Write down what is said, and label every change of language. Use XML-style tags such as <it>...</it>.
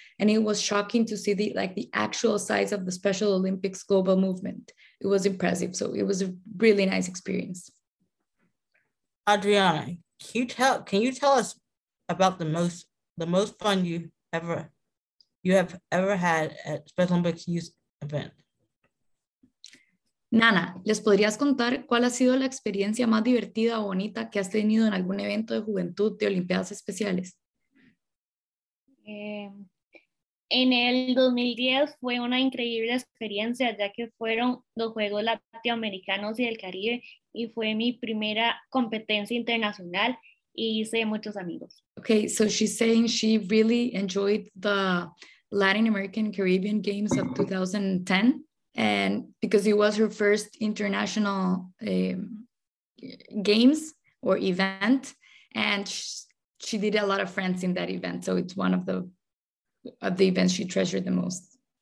<en>And it was shocking to see the actual size of the Special Olympics global movement. It was impressive. So it was a really nice experience. Adriana, can you tell us about the most fun you have ever had at Special Olympics Youth Event?</en> <es>Nana, ¿les podrías contar cuál ha sido la experiencia más divertida o bonita que has tenido en algún evento de juventud de Olimpiadas Especiales? En el 2010 fue una increíble experiencia, ya que fueron los Juegos Latinoamericanos y del Caribe, y fue mi primera competencia internacional, y hice muchos amigos.</es> <en>Okay, so she's saying she really enjoyed the Latin American Caribbean Games of 2010, and because it was her first international games or event, and she did a lot of friends in that event, so it's one of the events she treasured the most.</en>